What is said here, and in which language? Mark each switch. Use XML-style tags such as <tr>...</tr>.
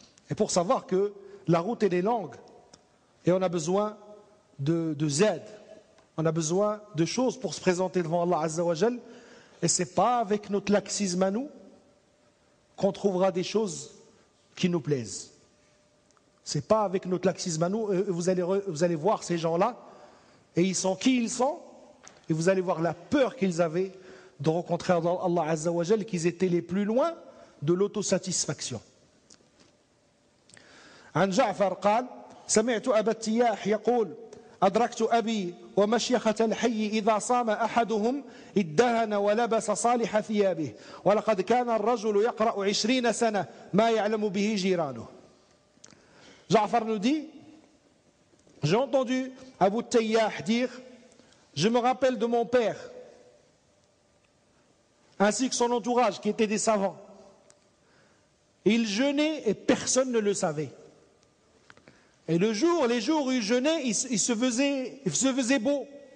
<fr>Et pour savoir que la route, elle est longue, et on a besoin de Z, on a besoin de choses pour se présenter devant Allah Azza wa Jal, et ce n'est pas avec notre laxisme à nous qu'on trouvera des choses qui nous plaisent. Ce n'est pas avec notre laxisme à nous, vous allez voir ces gens-là, et ils sont qui ils sont, et vous allez voir la peur qu'ils avaient de rencontrer Allah Azza wa Jal, qu'ils étaient les plus loin de l'autosatisfaction.</fr> <ar>عن جعفر قال سمعت أبا التياح يقول أدركت أبي ومشيخة الحي إذا صام أحدهم ادهن ولبس صالح ثيابه ولقد كان الرجل يقرأ 20 سنة ما يعلم به جيرانه.</ar> <fr>جعفر nous dit, j'ai entendu Abu Tayyah dire, je me rappelle de mon père ainsi que son entourage qui étaient des savants. Ils jeûnaient et personne ne le savait. Et les jours où il jeûnait, il se faisait beau.</fr>